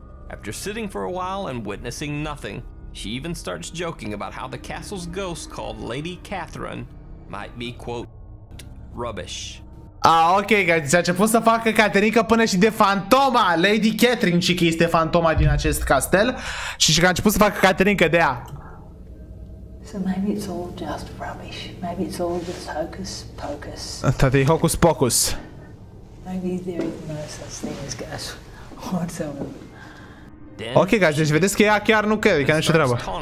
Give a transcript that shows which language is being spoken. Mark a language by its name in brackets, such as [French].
[English] After sitting for a while and witnessing nothing, she even starts joking about how the castle's ghost called Lady Catherine might be, quote, rubbish. [Romanian] Ah, ok, guys, a început să facă Caterinca până și de fantoma Lady Catherine, și că este fantoma din acest castel. Și că a început să facă Caterinca de ea. [English] So maybe it's all just rubbish. Maybe it's all just hocus pocus. Tati, hocus pocus. Maybe there is no such thing as gas whatsoever. [Romanian] Ok, guys, deci vedeți că ea chiar nu crede, că nu știu treaba.